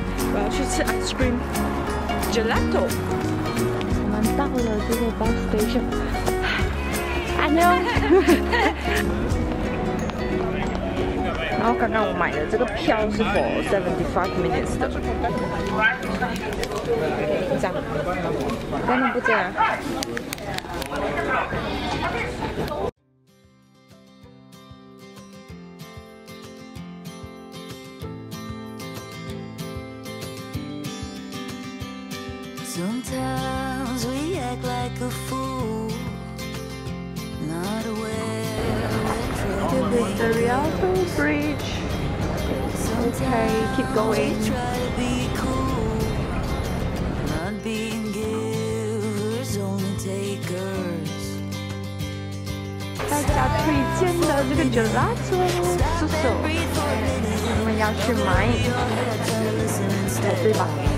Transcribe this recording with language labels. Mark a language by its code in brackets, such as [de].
[zh] 我要去吃 [en] ice cream gelato。 [zh] 我们到了这个 [en] bus station。 I know。 [zh] 然后刚刚我买的这个票是 [en] for 75 minutes [zh] 的。这样，为什么不这样？ [en] Sometimes we act like a fool, not aware. This is the Rialto Bridge. Okay, keep going. We try to be cool, not being givers, only takers. [zh] 大家推荐的这个 gelato Suso， 我们要去买，对吧？